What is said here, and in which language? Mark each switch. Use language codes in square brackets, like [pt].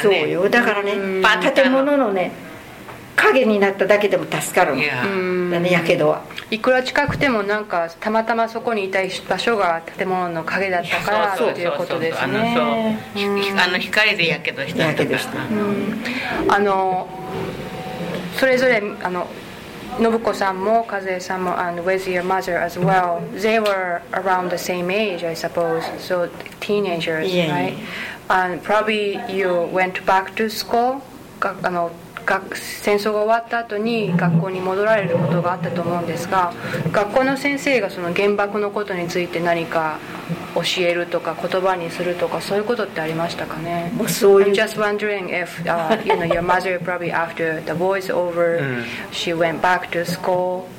[ja] そうよ、だからね、建物のね影になっただけでも助かるの。いや、だね、やけどはいくら近くてもなんかたまたまそこにいた場所が建物の影だったからっていうことですね。そう、あの光でやけどしたんだから。やけどした。あのそれぞれあの [en] Nobuko-san mo, Kaze-san mo, and with your mother as well, they were around the same age, I suppose, so teenagers, yeah, right? Yeah. And probably you went back to school, [ja] あの、戦争が終わった後に学校に戻られることがあったと思うんですが、学校の先生がその原爆のことについて何か教えるとか言葉にするとかそういうことってありましたかね。もうそういう。 [en] I'm just wondering if you know your mother probably after the war is over, she went back to school.